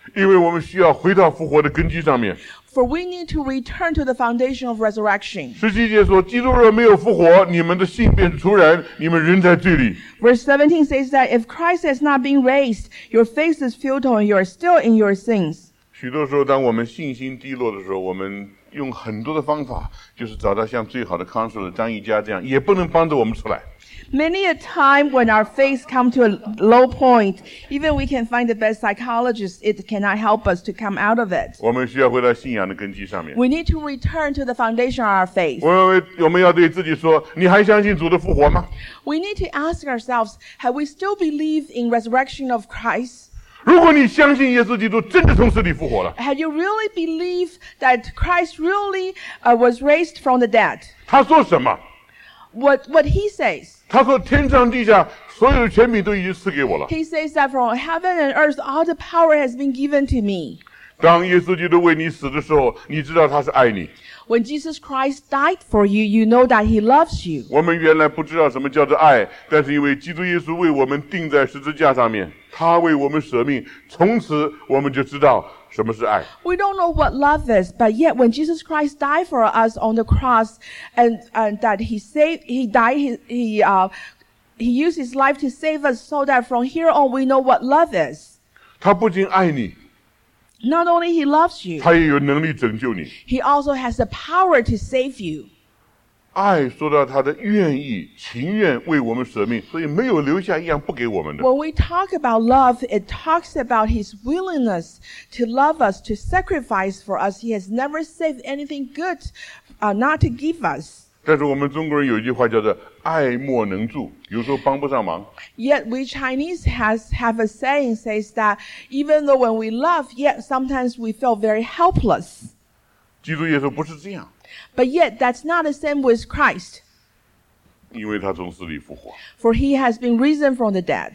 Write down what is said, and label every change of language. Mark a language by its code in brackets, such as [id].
[zh] 因为我们需要回到复活的根基上面。 [en] For we need to return to the foundation of resurrection. [zh] 十七节说，基督若没有复活，你们的信便是徒然，你们仍在罪里。 [en] Verse 17 says that if Christ has not been raised, your faith is futile and you are still in your sins. [zh] 许多时候，当我们信心低落的时候，我们用很多的方法，就是找到像最好的 counselor 张一家这样，也不能帮助我们出来。 [en] Many a time when our faith comes to a low point, even we can find the best psychologist, it cannot help us to come out of it. [zh] 我们需要回到信仰的根基上面。 [en] We need to return to the foundation of our faith. [zh] 我们要对自己说，你还相信主的复活吗？ [en] We need to ask ourselves, have we still believe in resurrection of Christ? [zh] 如果你相信耶稣基督真的从死里复活了 [en] Had you really believed that Christ really was raised from the dead? [zh] 他说什么 [en] What he says? [zh] 他说天上地下所有的权柄都已经赐给我了 [en] He says that from heaven and earth all the power has been given to me. [zh] 当耶稣基督为你死的时候你知道他是爱你 [en] When Jesus Christ died for you, you know that he loves you. [zh] 我们原来不知道什么叫做爱但是因为基督耶稣为我们钉在十字架上面他为我们舍命，从此我们就知道什么是爱。 [en] We don't know what love is, but yet when Jesus Christ died for us on the cross, and that he saved, he died, he used his life to save us, so that from here on we know what love is. [zh] 他不仅爱你。 [en] Not only he loves you. [zh] 他也有能力拯救你。 [en] He also has the power to save you. [zh] 爱说到他的愿意情愿为我们舍命所以没有留下一样不给我们的 [en] When we talk about love it talks about his willingness to love us to sacrifice for us he has never saved anything good not to give us [zh] 但是我们中国人有一句话叫做爱莫能助有时候帮不上忙 [en] Yet we Chinese have a saying says that even though when we love yet sometimes we feel very helpless [zh] 基督耶稣不是这样 [en] But yet, that's not the same with Christ. [zh] 因为他从死里复活。 [en] For he has been risen from the dead.